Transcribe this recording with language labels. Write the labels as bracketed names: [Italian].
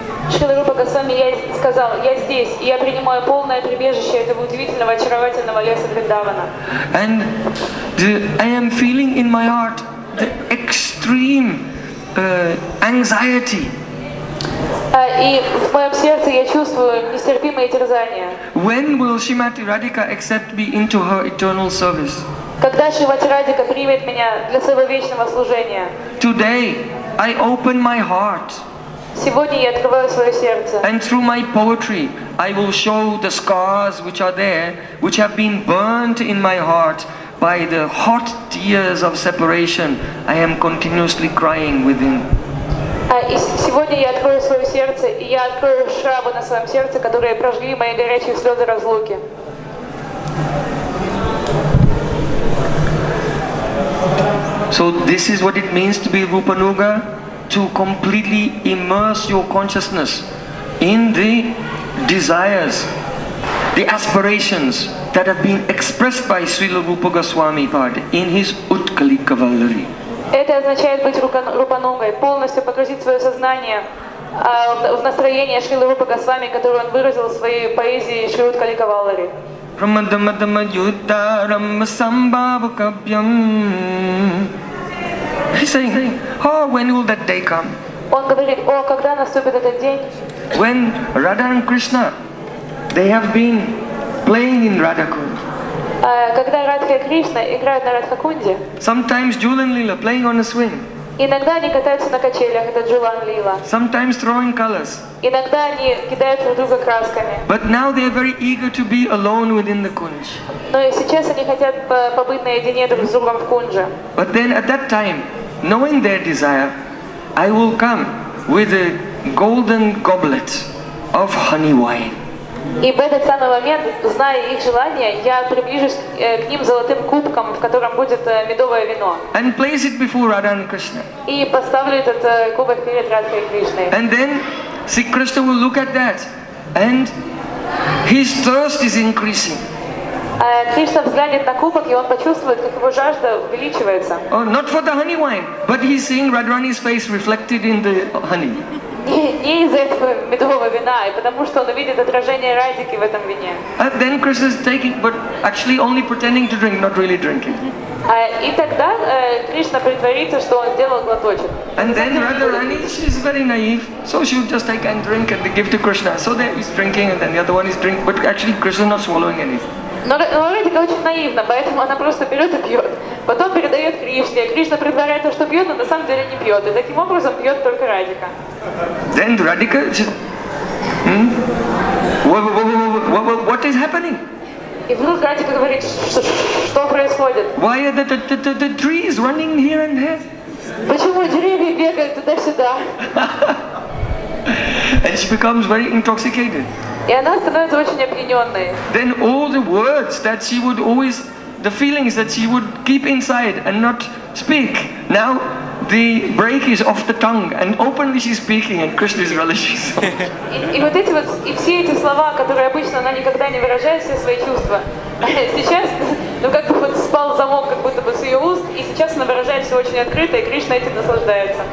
[Russian] Шрила Рупа Госвами сказал, я здесь, и я принимаю полное прибежище этого удивительного, очаровательного леса Вриндавана. [English] And I am feeling in my heart the extreme anxiety. [Russian] И в моем сердце я чувствую нестерпимые терзания. [English] When will Shrimati Radhika accept me into her eternal service? [Russian] Когда Шримати Радика примет меня для своего вечного служения? [English] Today I open my heart. [Russian] Сегодня я открываю свое сердце. [English] And through my poetry, I will show the scars which are there, which have been burnt in my heart by the hot tears of separation. I am continuously crying within. [Russian] И сегодня я открою свое сердце, и я открою шрамы на своем сердце, которые прожгли мои горячие слезы разлуки. [English] So this is what it means to be Rupanuga. To completely immerse your consciousness in the desires, the aspirations that have been expressed by Srila Rupa Goswami Pad in his Utkalika Vallari. [Russian] Это означает быть рупанугой, полностью погрузить свое сознание в настроение Шрилы Рупа Госвами, которое он выразил в своей поэзии Шри Уткалика Валлари. [Sanskrit] Прамадамадама юдарам самбаву кабьям. [English] He's saying, oh, when will that day come? [Russian] Он говорит, о, когда наступит этот день? [English] When Radha and Krishna, they have been playing in Radhakund. [Russian] Когда Радха и Кришна играют на Радхакунде. [English] Sometimes Julan Lila playing on a swing. [Russian] Иногда они катаются на качелях, это Julan Lila. [English] Sometimes throwing colors. [Russian] Иногда они кидают друг друга красками. [English] But now they are very eager to be alone within the Kunj. [Russian] Но сейчас они хотят побыть наедине друг с другом в Кунже. [English] But then at that time, knowing their desire, I will come with a golden goblet of honey wine. [Russian] И в этот самый момент, зная их желание, я приближусь к ним золотым кубком, в котором будет медовое вино. [English] And place it before Radha and Krishna. [Russian] И поставлю этот кубок перед Радхой и Кришной. [English] And then, see, Krishna will look at that, and his thirst is increasing. [Russian] Кришна взглянет на кубок, и он почувствует, как его жажда увеличивается. [English] Oh, not for the honey wine, but he's seeing Radharani's face reflected in the honey. [Russian] Не из-за этого медового вина, а потому что он увидит отражение Радики в этом вине. [English] And then Krishna is taking, but actually only pretending to drink, not really drinking. [Russian] И тогда Кришна притворится, что он сделал глоточек. [English] And then Radharani, she's very naive, so she will just take and drink and give to Krishna. So then he's drinking, and then the other one is drinking, but actually Krishna is not swallowing anything. [Russian] Но Ведика очень наивна, поэтому она просто берет и пьет. Потом передает Кришне. Кришна предваряет то, что пьет, но на самом деле не пьет. И таким образом пьет только Радика. [English] Then Radhika just... What is happening? [Russian] И вдруг Радика говорит, что происходит? [English] Why are the trees running here and there? [Russian] Почему деревья бегают туда-сюда? [English] And she becomes very intoxicated. [Russian] И она становится очень опьяненной. [English] Then all the words that she would always, the feelings that she would keep inside and not speak, now the break is off the tongue and openly she's speaking and Krishna is relishing. [Russian] И вот эти вот, и все эти слова, которые обычно она никогда не выражает, все свои чувства, сейчас, ну как бы вот спал замок как будто бы с ее уст, и сейчас она выражает все очень открыто, и Кришна этим наслаждается.